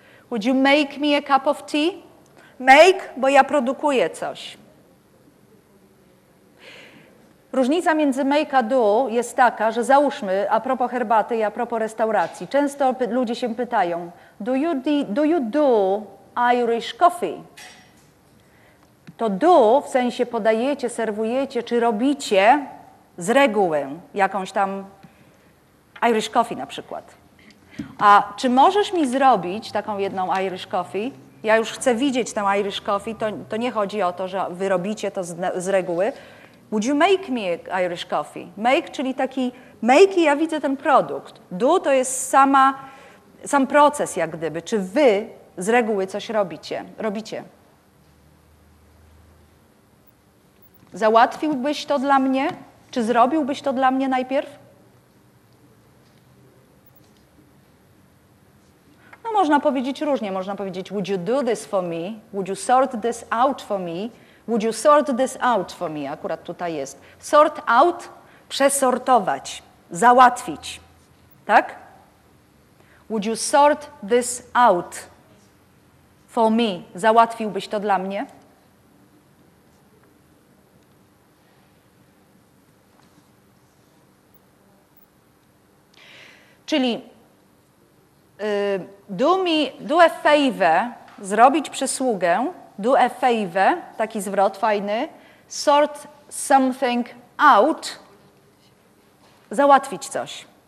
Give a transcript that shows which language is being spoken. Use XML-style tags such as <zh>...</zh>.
<en>Would you make me a cup of tea?</en> <pl>Make, bo ja produkuję coś. Różnica między make a do jest taka, że załóżmy, a propos herbaty i a propos restauracji. Często ludzie się pytają,</pl> <en>do you do Irish coffee?</en> <pl>To do, w sensie podajecie, serwujecie, czy robicie z reguły jakąś tam Irish coffee na przykład. A czy możesz mi zrobić taką jedną Irish coffee? Ja już chcę widzieć tę Irish coffee, to nie chodzi o to, że wy robicie to z reguły.</pl> <en>Would you make me Irish coffee?</en> <pl>Make, czyli taki make i ja widzę ten produkt. Do to jest sam proces jak gdyby. Czy wy z reguły coś robicie? Robicie. Załatwiłbyś to dla mnie? Czy zrobiłbyś to dla mnie najpierw? No można powiedzieć różnie. Można powiedzieć</pl> <en>would you do this for me? Would you sort this out for me? Would you sort this out for me?</en> <pl>Akurat tutaj jest. Sort out, przesortować, załatwić. Tak?</pl> <en>Would you sort this out for me?</en> <pl>Załatwiłbyś to dla mnie? Czyli</pl> <en>do a favor,</en> <pl>zrobić przysługę, do a favor, taki zwrot fajny,</pl> <en>sort something out,</en> <pl>załatwić coś.</pl>